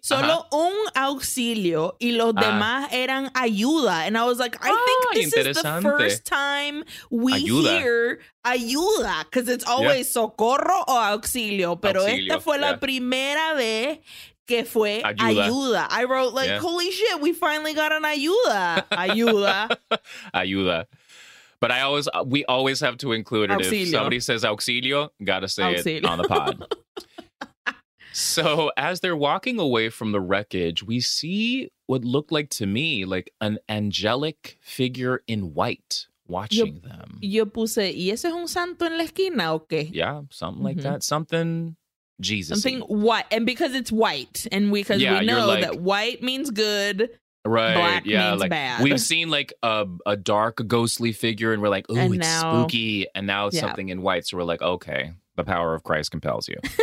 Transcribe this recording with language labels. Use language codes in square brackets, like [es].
[es] Solo un auxilio y los demás eran ayuda. [en] And I was like, I think this is the first time we hear ayuda. Because it's always [es] socorro o auxilio. Pero auxilio. Esta fue la primera vez que fue ayuda. [en] I wrote like, holy shit, we finally got an ayuda. Ayuda. Ayuda. But we always have to include it. Auxilio. If somebody says auxilio, gotta say auxilio. It on the pod. So as they're walking away from the wreckage, we see what looked like to me like an angelic figure in white watching them. [es] Yo puse, ¿y ese es un santo en la esquina o qué? [en] Yeah, something like that. Something Jesus-y. Something white. And because it's white and because we know like, that white means good. Right. Black means like, bad. We've seen like a dark ghostly figure and we're like, ooh, it's spooky. And now it's something in white. So we're like, okay, the power of Christ compels you.